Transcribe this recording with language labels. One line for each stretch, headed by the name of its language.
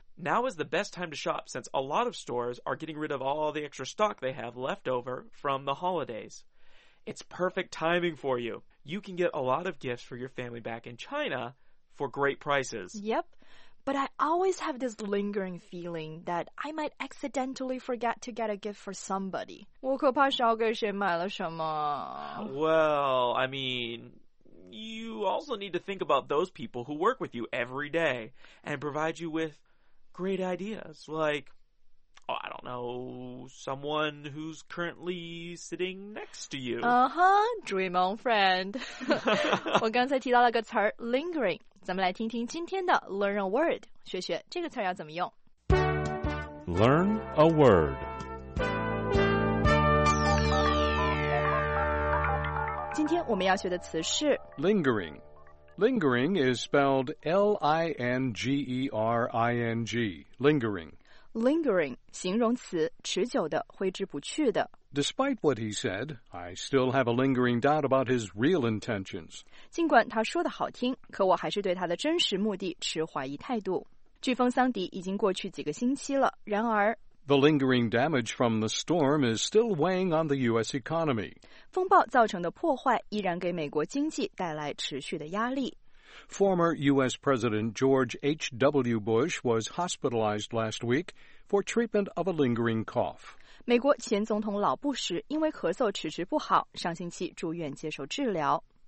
English: Now is the best time to shop since a lot of stores are getting rid of all the extra stock they have left over from the holidays. It's perfect timing for you. You can get a lot of gifts for your family back in China for great prices. Yep. But I always have this lingering feeling that I might accidentally forget to get a gift for somebody.
Chinese: 我可怕少给谁买了什么。
English: Well, I mean, you also need to think about those people who work with you every day and provide you with great ideas. Like, oh, I don't know, someone who's currently sitting next to you. Uh-huh, dream on friend.
Chinese: 我刚才提到了个词 lingering. 咱们来听听今天的 Learn a Word， 学学这个词要怎么用。
English: Learn a Word。
Chinese: 今天我们要学的词是
English: Lingering。 Lingering is spelled L-I-N-G-E-R-I-N-G, Lingering.
Chinese: Lingering, 形容词，持久的，挥之不去的。
English: Despite what he said, I still have a lingering doubt about his real intentions.
Chinese: 尽管他说的好听，可我还是对他的真实目的持怀疑态度。飓风桑迪已经过去几个星期了，然而
English: The lingering damage from the storm is still weighing on the U.S. economy.
Chinese: 风暴造成的破坏依然给美国经济带来持续的压力。
English: Former U.S. President George H.W. Bush was hospitalized last week for treatment of a lingering cough.
Chinese: 美国前总统老布什因为咳嗽迟迟不好，上星期住院接受治疗。